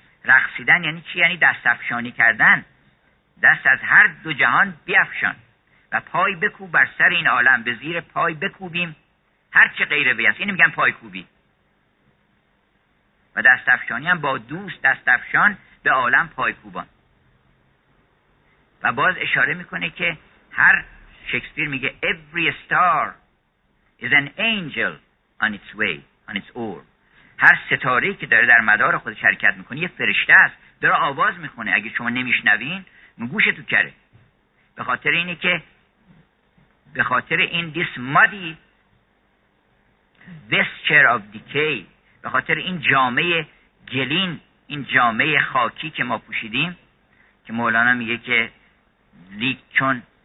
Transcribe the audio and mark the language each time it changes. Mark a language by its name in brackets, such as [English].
[Persian] رقصیدن یعنی چی؟ یعنی دست افشانی کردن، دست از هر دو جهان بیفشان و پای بکوب بر سر این عالم، به زیر پای بکوبیم هر چه غیر وی است. اینو میگن پای کوبی. و دست افشانی هم با دوست دست افشان به عالم پای کوبان. و باز اشاره میکنه که هر شکسپیر میگه [English] Every star is an angel on its way, on its orb. [Persian] هر ستاره‌ای که داره در مدار خودش حرکت میکنه یه فرشته است، داره آواز میکنه. اگه شما نمیشنوین گوش تو کره، به خاطر اینه که به خاطر این [English] this muddy vesture of decay، [Persian] به خاطر این جامعه گلین، این جامعه خاکی که ما پوشیدیم، که مولانا میگه که لیک چون